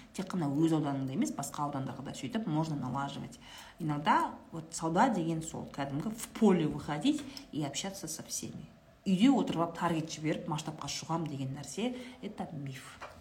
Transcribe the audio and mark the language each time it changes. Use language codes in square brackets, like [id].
[kk] Тек қана өз ауданыңда емес, басқа аудандарда да сөйтіп [ru] можно налаживать. Иногда вот [kk] сауда деген сол, кәдімгі [ru] в поле выходить и общаться со всеми. [kk] Үйде отырып таргет жіберіп, масштабқа шығам деген нәрсе [ru] это миф.